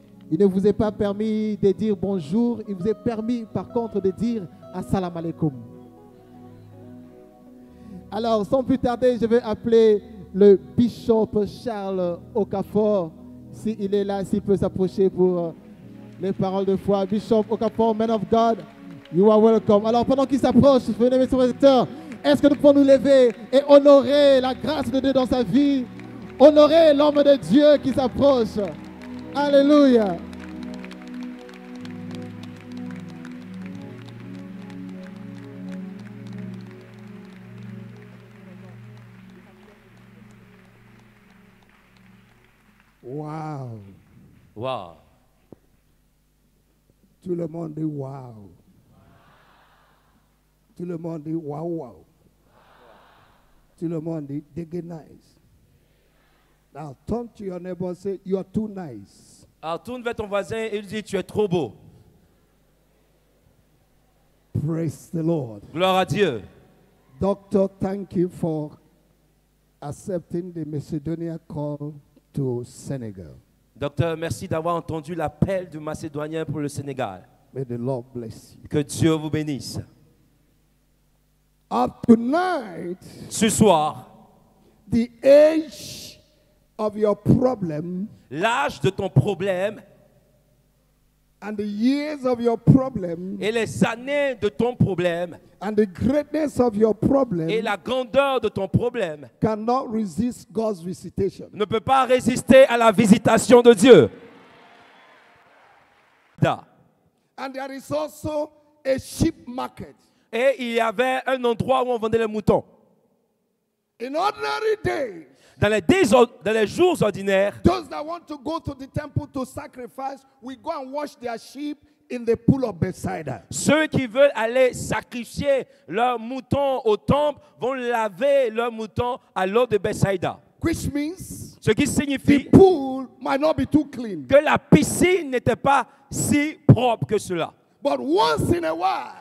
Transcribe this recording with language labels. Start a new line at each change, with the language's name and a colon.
French: Il ne vous est pas permis de dire bonjour, il vous est permis par contre de dire
Arabic: assalamu alaikum.
French: Alors sans plus tarder, je vais appeler le bishop Charles Okafor, s'il est là, s'il peut s'approcher pour les paroles de foi.
English: Bishop Okafor, man of God, you are welcome.
French: Alors pendant qu'il s'approche, venez mes serviteurs. Est-ce que nous pouvons nous lever et honorer la grâce de Dieu dans sa vie? Honorer l'homme de Dieu qui s'approche. Alléluia. Wow. Wow. Tout le monde dit wow. Tout le monde dit wow, wow. Tout le monde dit,
English: they get nice. Now turn to your neighbor and say, you are too nice.
French: Alors tourne vers ton voisin et lui dit, tu es trop beau.
English: Praise the Lord.
French: Gloire à Dieu.
English: Doctor, thank you for accepting the Macedonian call to Senegal.
French: Docteur, merci d'avoir entendu l'appel du Macédonien pour le Sénégal.
English: May the Lord bless you.
French: Que Dieu vous bénisse.
English: Of tonight,
French: ce soir,
English: the age of your problem,
French: l'âge de ton problème,
English: and the years of your problem,
French: et les années de ton problème,
English: and the greatness of your problem,
French: et la grandeur de ton problème,
English: cannot resist God's visitation.
French: Ne peut pas résister à la visitation de Dieu.
English: And there is also a sheep market.
French: Et il y avait un endroit où on vendait les moutons.
English: In ordinary days,
French: dans les jours ordinaires,
English: those that want to go to the temple to sacrifice, we go and wash their sheep in the pool of Bethsaida.
French: Ceux qui veulent aller sacrifier leurs moutons au temple vont laver leurs moutons à l'eau de Bethsaida.
English: Which means,
French: ce qui signifie,
English: the pool might not be too clean.
French: Que la piscine n'était pas si propre que cela.
English: But once in a while,